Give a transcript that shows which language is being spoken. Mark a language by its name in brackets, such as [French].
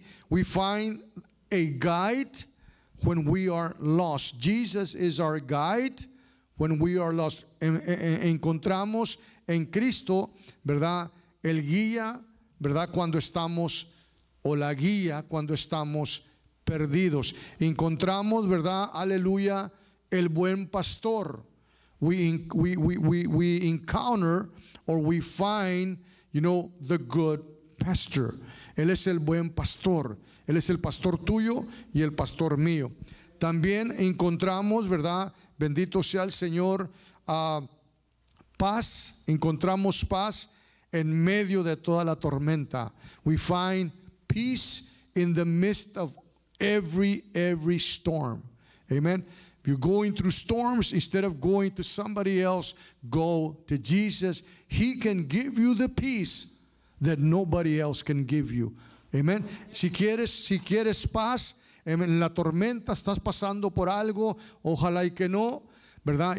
[English] We find a guide when we are lost. Jesus is our guide when we are lost. [Spanish] Encontramos en Cristo, ¿verdad?, el guía, ¿verdad?, cuando estamos, o la guía cuando estamos perdidos. Encontramos, ¿verdad?, aleluya, el buen pastor. [English] We encounter or we find, you know, the good pastor. [Spanish] Él es el buen pastor. Él es el pastor tuyo y el pastor mío. También encontramos, ¿verdad? Bendito sea el Señor, paz. Encontramos paz en medio de toda la tormenta. [English] We find peace in the midst of every storm. Amen. If you're going through storms, instead of going to somebody else, go to Jesus. He can give you the peace that nobody else can give you. Amen. [Spanish] Si quieres paz en la tormenta, estás pasando por algo, ojalá y que no, ¿verdad?